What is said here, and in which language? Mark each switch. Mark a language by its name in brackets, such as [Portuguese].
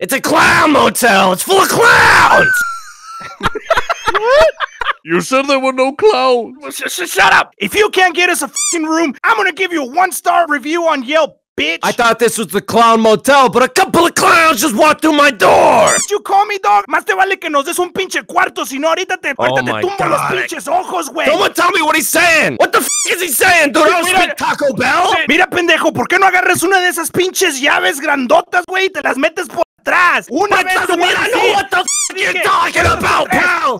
[English] It's a clown motel. It's full of clowns. What? You said there were no clowns. Shut up! If you can't get us a f***ing room, I'm gonna give you a 1-star review on Yelp, bitch! I thought this was the clown motel, but a couple of clowns just walked through my door! Did you call me, dog? [Spanish] Más te vale que nos des un pinche cuarto, sino ahorita te tumbo los pinches ojos, güey! [English] Someone tell me what he's saying! What the f*** is he saying, dude? I don't speak Taco Bell! [Spanish] Mira, pendejo, ¿por qué no agarras una de esas pinches llaves grandotas, güey, y te las metes por... atrás. Una [English] vez, I know what the f*** you're talking about, pal!